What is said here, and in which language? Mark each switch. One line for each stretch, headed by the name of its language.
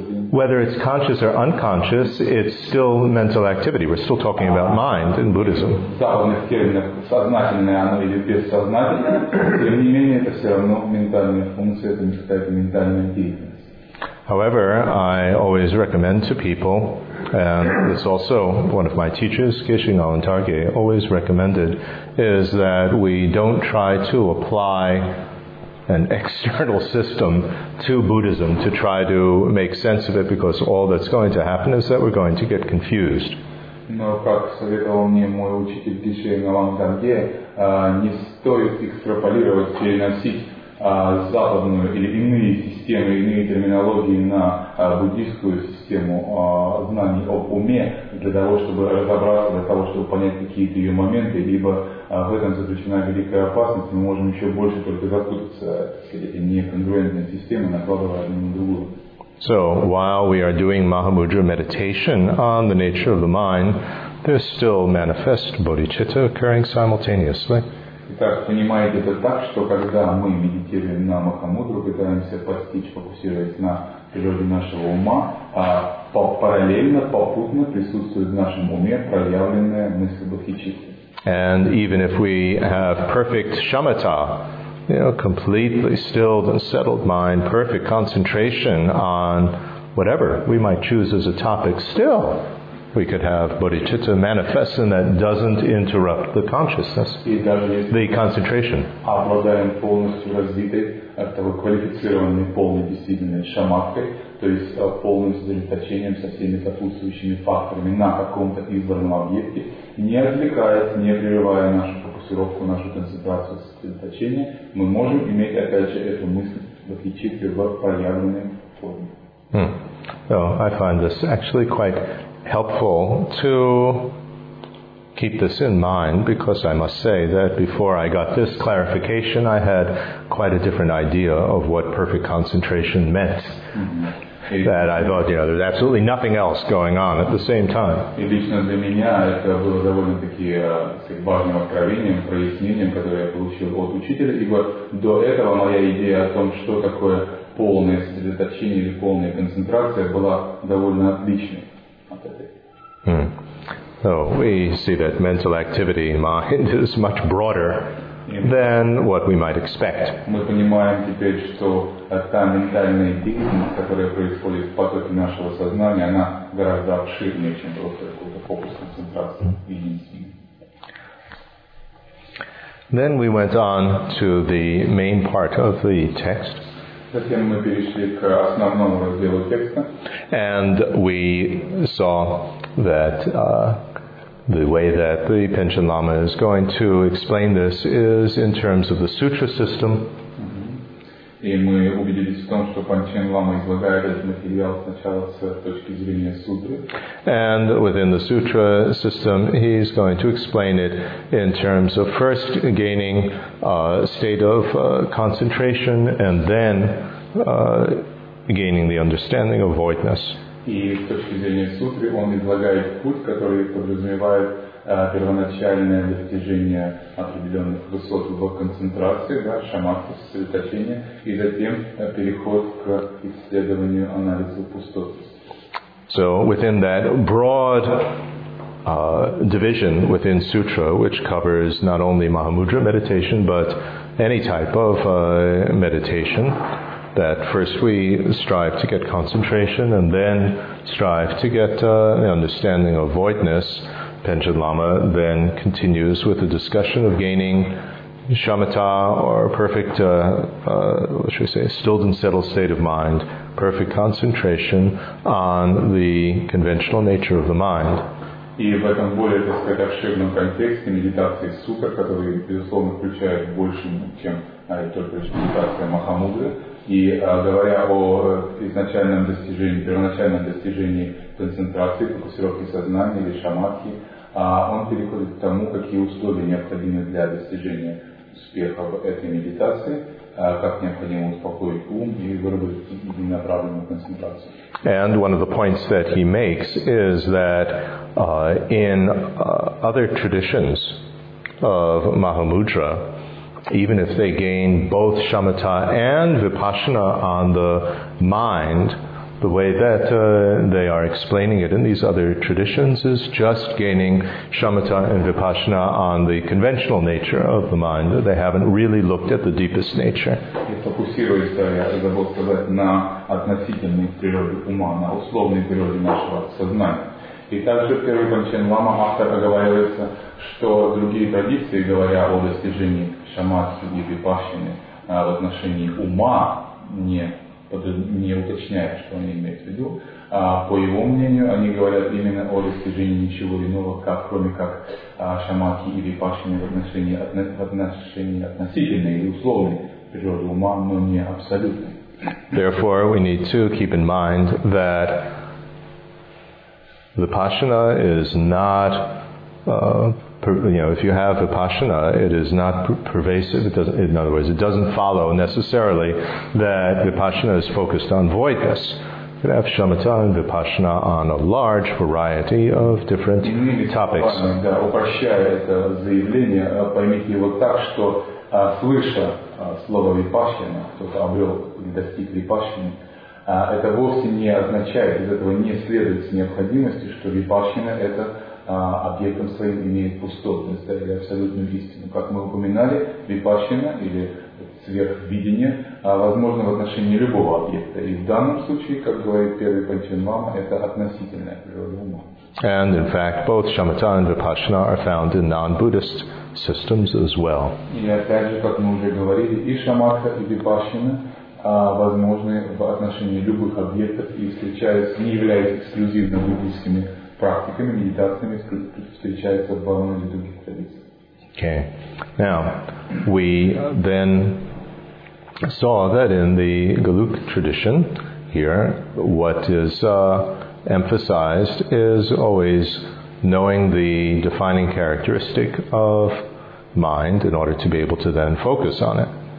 English: Whether it's conscious or unconscious, it's still mental activity. We're still talking about mind in Buddhism.
Russian: В западных терминах сознательное оно или бессознательное, тем не менее, это все равно ментальная функция, это не считается ментальная деятельность.
English: However, I always recommend to people, and it's also one of my teachers, Geshe Nalantarge, always recommended, is that we don't try to apply an external system to Buddhism to try to make sense of it, because all that's going to happen is that we're going to get confused.
Russian: Но как советовал мне мой учитель Геше Нолантарге, не стоит экстраполировать, переносить западную или иные системы, иные терминологии на буддийскую систему знаний об уме для того, чтобы разобраться, для того, чтобы понять какие-то ее моменты, либо в этом заключена великая опасность, мы можем еще больше только запутаться эти неконгруентные системы, накладывая одну на другую.
English: So, while we are doing Mahamudra meditation on the nature of the mind, there's still manifest bodhicitta occurring simultaneously.
Russian: Итак, понимаете это так, что когда мы медитируем на Махамудру, пытаемся постичь, фокусируясь на природе нашего ума, параллельно, попутно присутствует в нашем уме проявленная мысль бодхичитты.
English: And even if we have perfect shamatha, you know, completely stilled and settled mind, perfect concentration on whatever we might choose as a topic, still we could have bodhicitta manifest and that doesn't interrupt the consciousness, the concentration.
Russian: Обладаем полностью развитой, такой квалифицированной, полной действительно шамадхой, то есть полным сосредоточением со всеми сопутствующими факторами на каком-то избранном объекте, не отвлекая, не прерывая нашу фокусировку, нашу концентрацию сосредоточения, мы можем иметь опять же эту мысль бодхичитты в проявленной форме.
English: So I find this actually quite helpful to keep this in mind, because I must say that before I got this clarification, I had quite a different idea of what perfect concentration meant. Mm-hmm. That I thought, you know, there's absolutely nothing else going on at the same time.
Russian: И лично для меня это было довольно-таки важным откровением, прояснением, которое я получил от учителя. Ибо до этого моя идея о том, что такое полное сосредоточение или полная концентрация, была довольно отличной от этой.
English: So we see that mental activity, mind, is much broader than what we might expect.
Russian: Мы понимаем теперь, что та ментальная деятельность, которая происходит в потоке нашего сознания, она гораздо обширнее, чем просто какой-то фокус концентрации единственный.
English: Then we went on to the main part of the text.
Russian: Затем мы перешли к основному разделу текста.
English: And we saw that the way that the Panchen Lama is going to explain this is in terms of the sutra system.
Russian: И мы убедились в том, что Панчен Лама излагает этот материал сначала с точки зрения сутры.
English: And within the sutra system, he's going to explain it in terms of first gaining a state of concentration and then gaining the understanding of voidness.
Russian: И с точки зрения сутры он излагает путь, который подразумевает первоначальное достижение определенных высот в концентрации, да, шамадхи, сосредоточения, и затем переход к исследованию, анализу пустот.
English: So within that broad division within sutra, which covers not only Mahamudra meditation, but any type of meditation, that first we strive to get concentration and then strive to get the understanding of voidness, Panchen Lama then continues with the discussion of gaining shamatha, or perfect, what should we say, stilled and settled state of mind, perfect concentration on the conventional nature of the mind.
Russian: И в этом более, так сказать, обширном контексте медитации сутра, который, безусловно, включает больше, чем только лишь медитация Махамудры, и говоря о изначальном достижении, первоначальном достижении концентрации, фокусировки сознания или шамадхи, он переходит к тому, какие условия необходимы для достижения успеха в этой медитации, как необходимо успокоить ум и выработать направленную концентрацию.
English: And one of the points that he makes is that in other traditions of Mahamudra, even if they gain both shamatha and vipassana on the mind, the way that they are explaining it in these other traditions is just gaining shamatha and vipassana on the conventional nature of the mind. They haven't really looked at the deepest nature.
Russian: И фокусируется, я забыл сказать, на относительной природе ума, на условной природе нашего сознания. И также первый Панчен Лама автор оговаривается, что другие традиции, говоря о достижении шамадхи и випассаны в отношении ума, не уточняет, что они имеют в виду. По его мнению, они говорят именно о достижении ничего иного, как, кроме как шамадхи и випассаны в отношении относительной или условной природы ума, но не абсолютной.
English: Therefore, we need to keep in mind that vipassana is not, if you have vipassana, it is not pervasive. It doesn't, in other words, it doesn't follow necessarily that vipassana is focused on voidness. You can have shamatha and vipassana on a large variety of different topics.
Russian: Да, упрощая это заявление, поймите его так, что слыша слово vipassana, кто-то обрел или достиг vipassana, это вовсе не означает, из этого не следует с необходимостью, что випассана это объектом своим имеет пустотность или абсолютную истину. Как мы упоминали, випассана или сверхвидение возможно в отношении любого объекта. И в данном случае, как говорит первый Панчен Лама, это относительное природа ума.
English: And in fact, both shamatha and vipassana are found in non-Buddhist systems as well.
Russian: И опять же, как мы уже говорили, и шамадха, и випассана возможны в отношении любых объектов и встречаются, не являются эксклюзивно буддийскими практиками, медитациями, встречаются в многих других традициях.
English: Okay. Now, we then saw that in the Galuk tradition, here, what is emphasized is always knowing the defining characteristic of mind in order to be able to then focus on it.